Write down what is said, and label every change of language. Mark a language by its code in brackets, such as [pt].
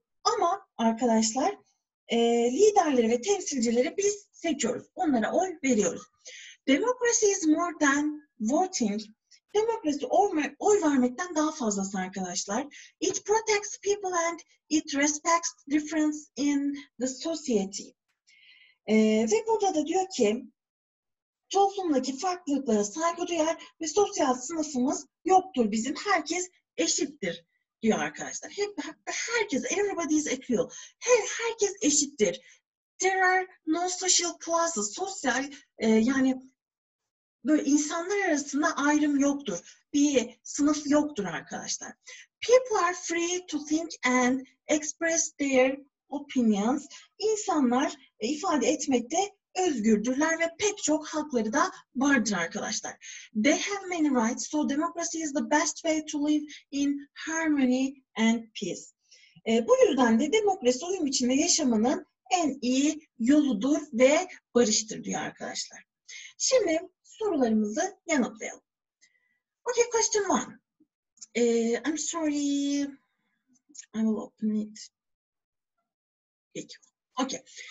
[tr] Ama arkadaşlar liderleri ve temsilcileri biz seçiyoruz. Onlara oy veriyoruz. [en] Democracy is more than voting. [tr] Demokrasi oy vermekten daha fazlası arkadaşlar. [en] It protects people and it respects difference in the society. [tr] Ve burada da diyor ki toplumdaki farklılıklara saygı duyar ve sosyal sınıfımız yoktur bizim. Herkes eşittir diyor arkadaşlar. Herkes, [en] everybody is equal. [tr] Herkes eşittir. [en] There are no social classes. [tr] Sosyal yani böyle insanlar arasında ayrım yoktur. Bir sınıf yoktur arkadaşlar. [en] People are free to think and express their opinions. [tr] İnsanlar ifade etmekte özgürdürler ve pek çok hakları da vardır arkadaşlar. [en] They have many rights, so democracy is the best way to live in harmony and peace. [tr] Bu yüzden de demokrasi uyum içinde yaşamanın en iyi yoludur ve barıştır diyor arkadaşlar. Şimdi sorularımızı yanıtlayalım. [en] Okay, question one. I'm sorry. I will open it. [tr] Peki. [en] Okay.